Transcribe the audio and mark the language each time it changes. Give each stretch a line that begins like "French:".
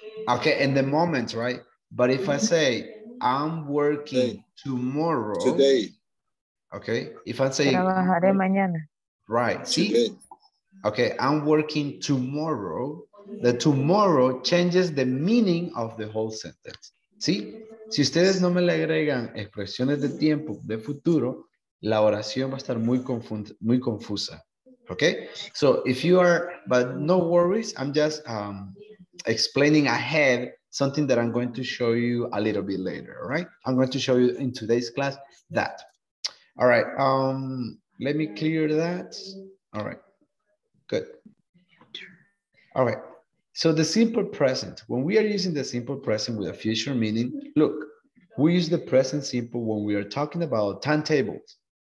English: Okay, in the moment, right? But if I say I'm working tomorrow. Today. Okay, if I say.
Spanish: Trabajaré mañana.
English: Right, see? Okay, I'm working tomorrow. The tomorrow changes the meaning of the whole sentence. See?
Spanish: Si ustedes no me le agregan expresiones de tiempo, de futuro, la oración va a estar muy confusa.
English: Okay? So if you are, but no worries, I'm just explaining ahead something that I'm going to show you a little bit later, all right? I'm going to show you in today's class that. All right, let me clear that. All right, good. All right, so the simple present, when we are using the simple present with a future meaning, look, we use the present simple when we are talking about timetables.